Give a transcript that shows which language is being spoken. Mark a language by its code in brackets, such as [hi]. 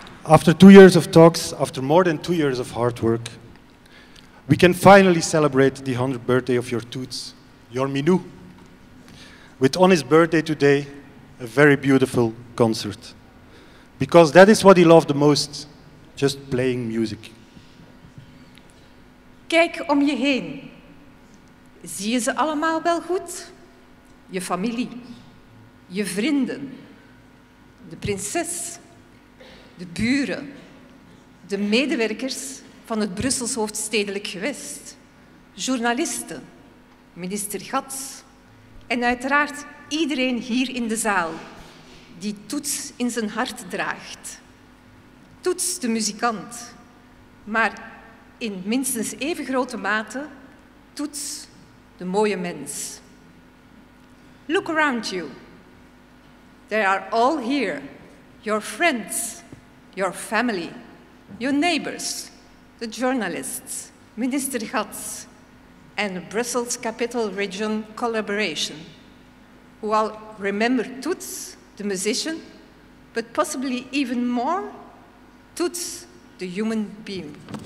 [en] After 2 years of talks, after more than 2 years of hard work, we can finally celebrate the 100th birthday of your Toots, your Minou, with on his birthday today, a very beautiful concert. Because that is what he loved the most, just playing music. [nl] Kijk om je heen. Zie je ze allemaal wel goed? Je familie, je vrienden, de prinses, de buren, de medewerkers van het Brussels hoofdstedelijk gewest, journalisten, minister Gats en uiteraard iedereen hier in de zaal die Toets in zijn hart draagt. Toets de muzikant, maar in minstens even grote mate Toets de mooie mens. [en] Look around you. They are all here. Your friends, your family, your neighbors, the journalists, Minister Gats, and Brussels Capital Region Collaboration, who all remember Toets, the musician, but possibly even more, Toets, the human being.